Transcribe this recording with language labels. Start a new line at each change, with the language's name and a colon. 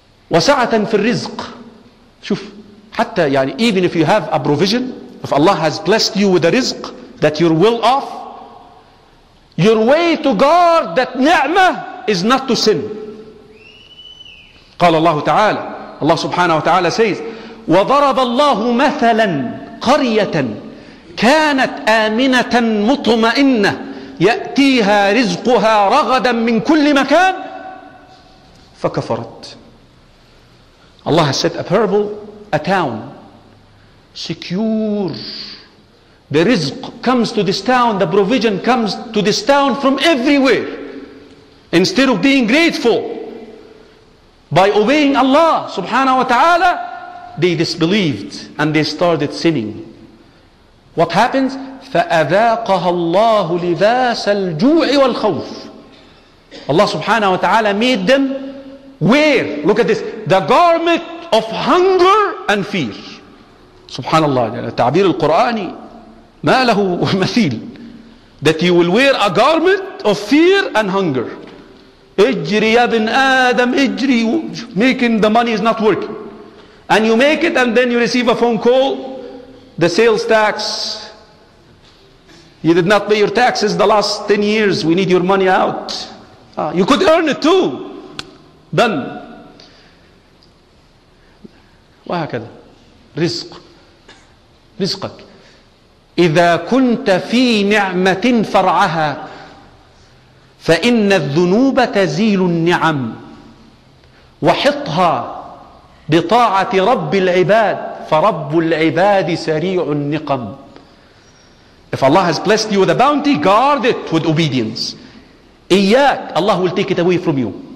Arabic: وسعة في الرزق. شوف, حتى يعني,
English: even if you have a provision, if Allah has blessed you with a rizq that you're well off, your way to guard that ni'mah is not to sin.
Arabic: قال الله تعالى, الله سبحانه وتعالى
English: says,
Arabic: وضرب الله مثلا قرية كانت آمنة مطمئنة يأتيها رزقها رغدا من كل مكان فكفرت.
English: Allah has set a parable, a town, secure. The rizq comes to this town, the provision comes to this town from everywhere. Instead of being grateful, by obeying Allah subhanahu wa ta'ala, they disbelieved and they started sinning. What happens?
Arabic: فَأَذَاقَهَا اللَّهُ لِبَاسَ الْجُوعِ وَالْخَوْفِ.
English: Allah subhanahu wa ta'ala made them wear, look at this, the garment of hunger and fear.
Arabic: Subhanallah, التعبير القرآني ما له مثيل.
English: That you will wear a garment of fear and hunger.
Arabic: اجري يا بن آدم اجري,
English: making the money is not working. And you make it, and then you receive a phone call, the sales tax, you did not pay your taxes the last 10 years, we need your money out. You could earn it too. Done.
Arabic: وهكذا. رزق. رزقك. إذا كنت في نعمة فرعها فإن الذنوب تزيل النعم وحطها بطاعة رب العباد فرب العباد سريع النقم.
English: If Allah has blessed you with a bounty, guard it with obedience.
Arabic: إياك,
English: Allah will take it away from you.